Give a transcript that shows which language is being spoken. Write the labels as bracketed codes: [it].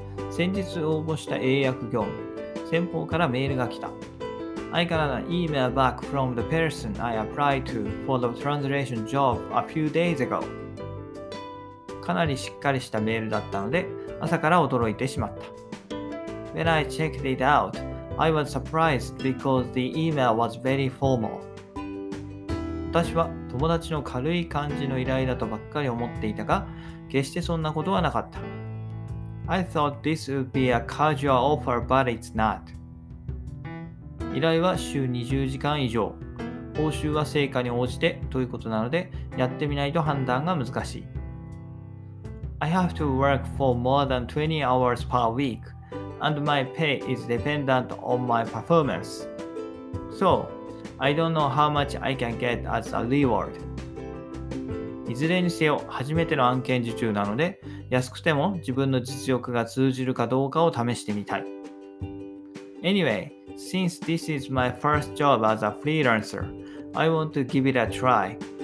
[ja] 先日応募した英訳業務。先方からメールが来た。 [en] I got an email back from the person I applied to for the translation job a few days ago. [ja] かなりしっかりしたメールだったので、朝から驚いてしまった。 [en] When I checked it out, I was surprised because the email was very formal. [ja] 私は友達の軽い感じの依頼だとばっかり思っていたが、決してそんなことはなかった。 [en] I thought this would be a casual offer, but it's not. [ja] 依頼は週20時間以上。報酬は成果に応じてということなので、やってみないと判断が難しい。 [en] I have to work for more than 20 hours per week. And my pay is dependent on my performance. So, I don't know how much I can get as a reward. [ja] いずれにせよ、初めての案件受注なので、安くても自分の実力が通じるかどうかを試してみたい。 [en] Anyway, since this is my first job as a freelancer, I want to give it a try.